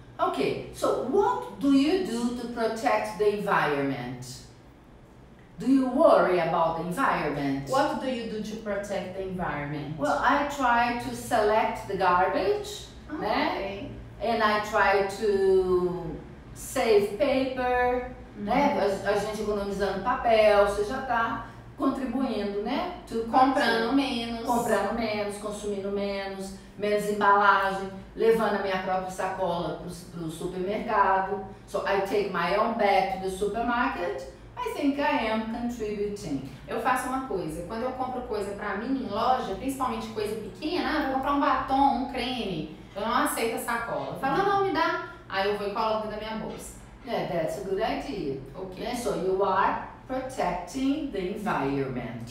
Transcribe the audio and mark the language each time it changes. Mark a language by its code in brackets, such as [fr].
[en] Ok, so what do you do to protect the environment? Do you worry about the environment? What do you do to protect the environment? Well, I try to select the garbage, okay, [pt] né? [en] And I try to save paper, mm-hmm, né? [pt] A gente economizando papel, você já tá contribuindo, né? To comprando menos. Comprando menos, consumindo menos, menos embalagem, levando a minha própria sacola pro supermercado. [en] So I take my own bag to the supermarket. I think I am contributing. [pt] Eu faço uma coisa, quando eu compro coisa pra mim em loja, principalmente coisa pequena, ah, vou comprar um batom, um creme, eu não aceito a sacola. Fala, não, me dá. Aí eu vou e coloco na minha bolsa. [en] Yeah, that's a good idea. Ok. Yeah, so you are protecting the environment.